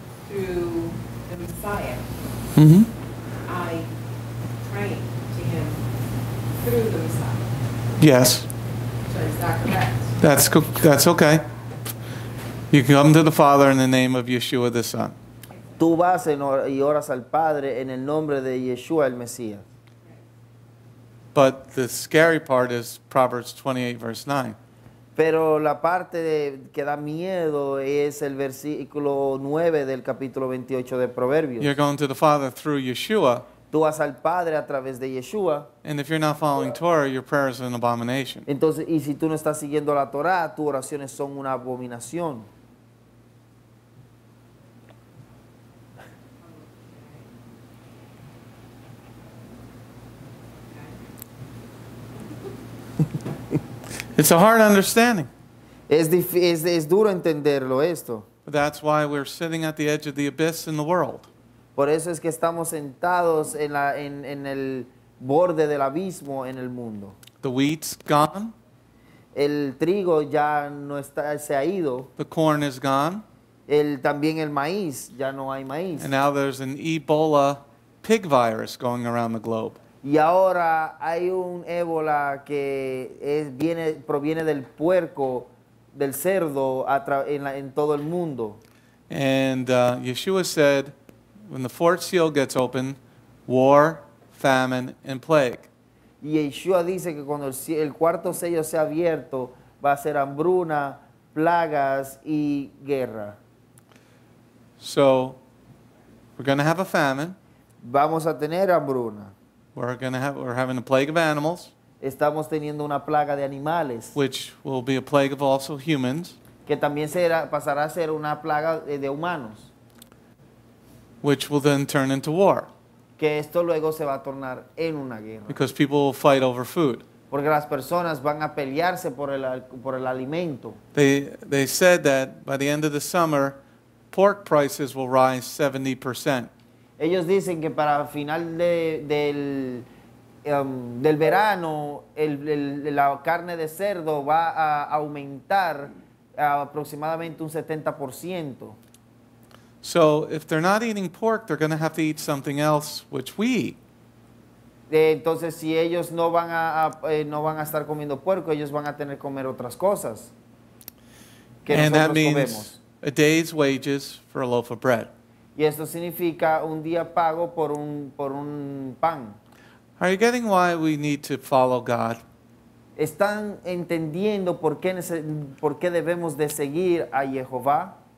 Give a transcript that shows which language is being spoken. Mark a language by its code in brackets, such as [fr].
[en] Through the Messiah. Mm-hmm. I pray to Him through the Messiah. Yes. So is that correct? That's cool. That's okay. You come to the Father in the name of Yeshua the Son. [es] Tú vas y oras al Padre en el nombre de Yeshua el Mesías. [en] But the scary part is Proverbs 28, verse 9. [es] Pero la parte que da miedo es el versículo 9 del capítulo 28 de Proverbios. [en] You're going to the Father through Yeshua. [es] Tú vas al Padre a través de Yeshua. [en] And if you're not following Torah, your prayer is an abomination. [es] Entonces, y si tú no estás siguiendo la Torah, tus oraciones son una abominación. [en] It's a hard understanding. [es] Es duro entenderlo esto. [en] That's why we're sitting at the edge of the abyss in the world. [es] Por eso es que estamos sentados en el borde del abismo en el mundo. [en] The wheat's gone. [es] El trigo ya no está, se ha ido. [en] The corn is gone. [es] También el maíz, ya no hay maíz. [en] And now there's an Ebola pig virus going around the globe. [es] Y ahora hay un ébola que proviene del puerco, del cerdo, en todo el mundo. [en] And Yeshua said, when the fourth seal gets open, war, famine, and plague. [es] Y Yeshua dice que cuando el cuarto sello sea abierto, va a ser hambruna, plagas, y guerra. [en] So, we're going to have a famine. [es] Vamos a tener hambruna. [en] We're having a plague of animals. [es] Estamos teniendo una plaga de animales. [en] Which will be a plague of also humans. [es] Que también pasará a ser una plaga de humanos. [en] Which will then turn into war. [es] Que esto luego se va a tornar en una guerra. [en] Because people will fight over food. [es] Porque las personas van a pelearse por el alimento. [en] They said that by the end of the summer, pork prices will rise 70%. [es] Ellos dicen que para final del verano la carne de cerdo va a aumentar aproximadamente un 70%. [en] So if they're not eating pork, they're going to have to eat something else, which we eat. [es] Entonces si ellos no van a estar comiendo puerco, ellos van a tener que comer otras cosas que nosotros comemos. [en] And that means a day's wages for a loaf of bread. [es] Y esto significa un día pago por un pan. [en] Are you getting why we need to follow God? [es] ¿Están entendiendo por qué debemos de seguir a Jehová?